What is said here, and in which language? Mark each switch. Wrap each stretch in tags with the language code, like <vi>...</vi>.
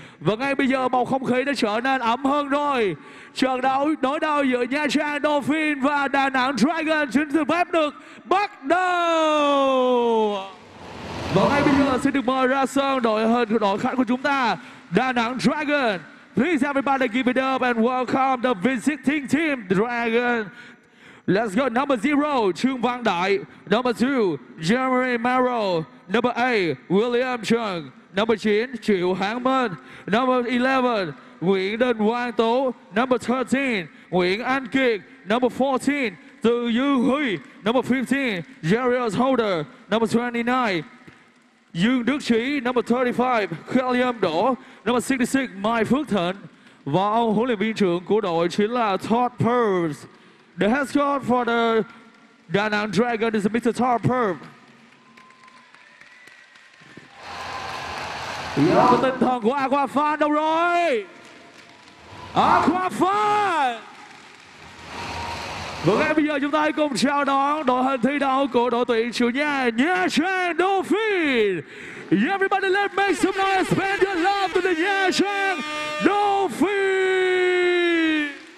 <vi>Và ngay bây giờ bầu không khí đã trở nên ấm hơn rồi. Trận đấu đối đầu giữa Nha Trang Dolphin và Đà Nẵng Dragon chính thức phép được bắt đầu. Và ngay bây giờ xin được mời ra sân đội hình của đội khách của chúng ta, Đà Nẵng Dragon.</vi> <en>Please everybody give it up and welcome the visiting team, Dragon. Let's go. Number 0, Trương Văn Đại. Number 2, Jeremy Merrill. Number 8, William Chung. Number 9, Triệu Hán Mân. Number 11, Nguyễn Đình Quang Tố. Number 13, Nguyễn Anh Kiệt. Number 14, Từ Dư Huy. Number 15, Jarius Holder. Number 29, Dương Đức Trí. Number 35, Khuê Liêm Đỗ. Number 66, Mai Phước Thịnh.</en> <vi>Và ông huấn luyện viên trưởng của đội chính là Todd Purves.</vi> <en>The head coach for the Da Nang Dragon is Mr. Todd Purves. Yeah.</en> <vi>Tinh thần của Aqua Fan đâu rồi? Aqua Fan! Và ngay bây giờ chúng ta hãy cùng chào đón đội hình thi đấu của đội tuyển chủ nhà Nha Trang Dolphin.</vi> <en>Everybody let's make some noise, spend your love to the Nha Trang Dolphin.</en>